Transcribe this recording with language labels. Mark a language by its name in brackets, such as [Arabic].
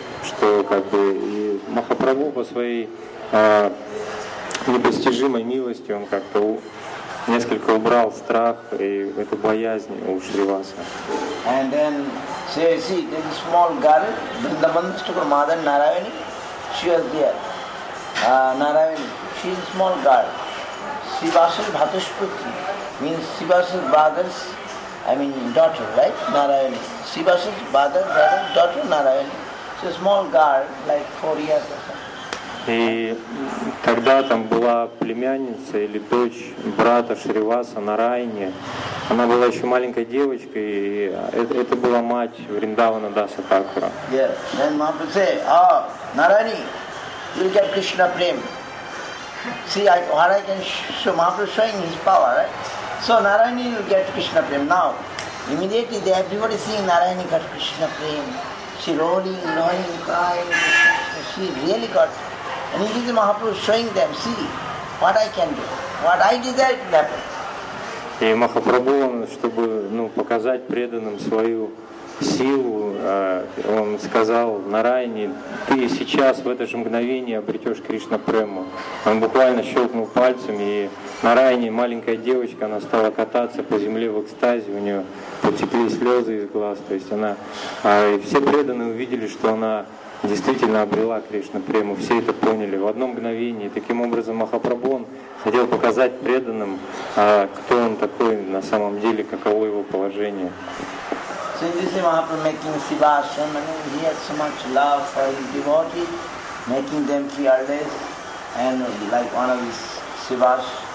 [Russian] Что как бы и Махапрабху по своей непостижимой милости, он как-то несколько убрал страх и эту боязнь у Шриваса. [English] And then say, see, there's a small girl, Vrindavan Stukra Madan Narayani, she was there. Narayani, she's a small girl. Sivasar Bhatushputri means Sivasar brother's, daughter, right? Narayani. Sivasar brother's daughter, Narayani. She's a small girl, like 4 years or something. [Russian] И тогда там была племянница или дочь брата Шриваса Нарайни. Она была еще маленькой девочкой, и это была мать Вриндавана Даса Такура. [English] Yes. Then Mahaprabhu say, Нарайни, you'll get Krishna prem. See, Mahaprabhu showing his power, right? So Нарайни will get Krishna prem now. Immediately they everybody seeing Нарайни got Krishna prem. She rolling, crying. She really got. And it is Mahaprabhu showing them, see, what I can do, what I desire to happen. [Russian] И Махапрабху, чтобы показать преданным свою силу, он сказал Нарайне: ты сейчас в это же мгновение обретешь Кришна Прему. Он буквально щелкнул пальцем, и Нарайне, маленькая девочка, она стала кататься по земле в экстазе, у нее потекли слезы из глаз. То есть она. И все преданные увидели, что она действительно обрела Кришна Прему. Все это поняли в одно мгновение. Таким образом, Махапрабху хотел показать преданным, кто он такой на самом деле, каково его положение. [English] So this is Mahaprabhu making Sivasan, he has so much love for his devotees, making them fearless, and like one of his Sivas.